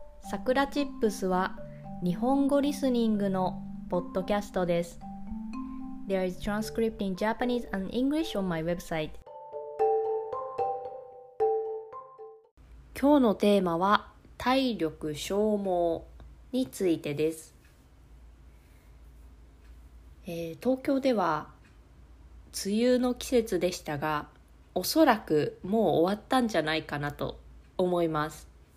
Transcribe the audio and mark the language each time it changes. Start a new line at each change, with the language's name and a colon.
Japanese: さくらチップスは日本語リスニングのポッドキャストです。
English: There is transcript in Japanese and English on my website。
Japanese: 今日のテーマは体力消耗についてです。東京では梅雨の季節でしたが、おそらくもう終わったんじゃないかなと思います。